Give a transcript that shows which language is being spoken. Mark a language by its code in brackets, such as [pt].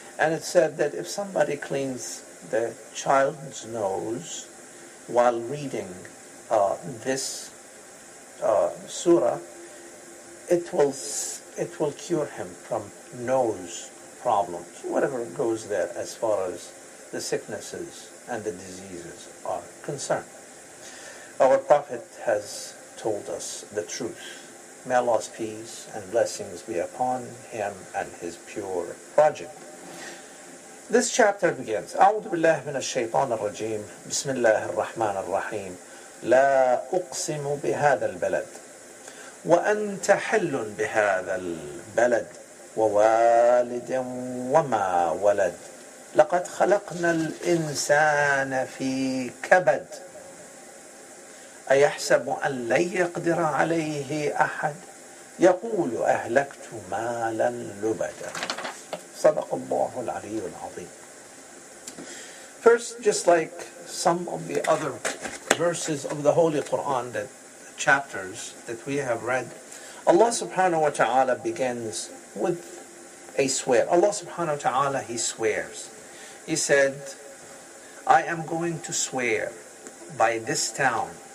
[en] And it's said that if somebody cleans the child's nose while reading this surah, it will cure him from nose problems, whatever goes there as far as the sicknesses and the diseases are concerned. Our Prophet has told us the truth. May Allah's peace and blessings be upon him and his pure project. This chapter begins, [ar] أعوذ بالله من الشيطان الرجيم بسم الله الرحمن الرحيم لا أقسم بهذا البلد وأنت حل بهذا البلد ووالد وما ولد لقد خلقنا الإنسان في كبد أيحسب أن لن يقدر عليه أحد يقول أهلكت مالا لبدا صدق الله العلي العظيم. [en] First, just like some of the other verses of the Holy Quran, that chapters that we have read, Allah subhanahu wa ta'ala begins with a swear. Allah subhanahu wa ta'ala, he swears. He said, I am going to swear by this town.